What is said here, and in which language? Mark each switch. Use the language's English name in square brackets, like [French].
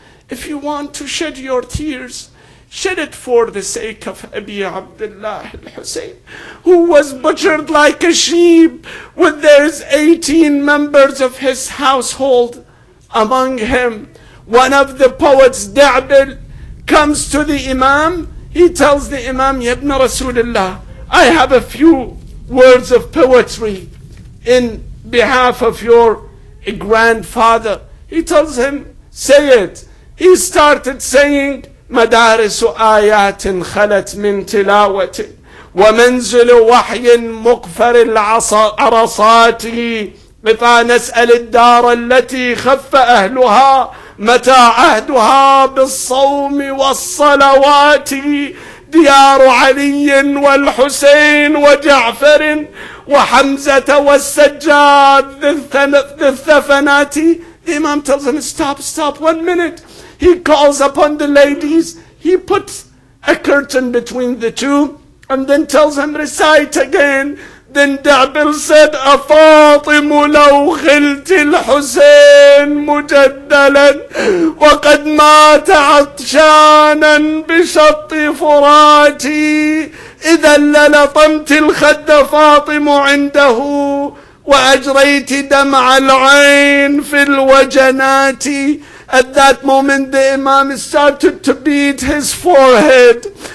[English] If you want to shed your tears, shed it for the sake of Abi Abdullah al-Husayn, who was butchered like a sheep with those 18 members of his household among him. One of the poets, Da'bil, comes to the Imam. He tells the Imam, Ya Ibn Rasulullah, I have a few words of poetry in behalf of your grandfather. He tells him, say it. He started saying, [Arabic] مدارس آيات خلت من تلاوة ومنزل وحي مقفر العرصات قطع نسأل الدار التي خف أهلها متى عهدها بالصوم والصلوات ديار علي والحسين وجعفر وحمزة والسجاد ذي الثفنات. [English] The Imam tells him, stop, one minute. He calls upon the ladies. He puts a curtain between the two and then tells him, recite again. Then Da'bil said, [Arabic] أفاطم لو خلت الحسين مجدلا وقد مات عطشانا بشط فراتي إذا للطمت الخد فاطم عنده وأجريت دمع العين في الوجنات. [English] At that moment, the Imam started to beat his forehead.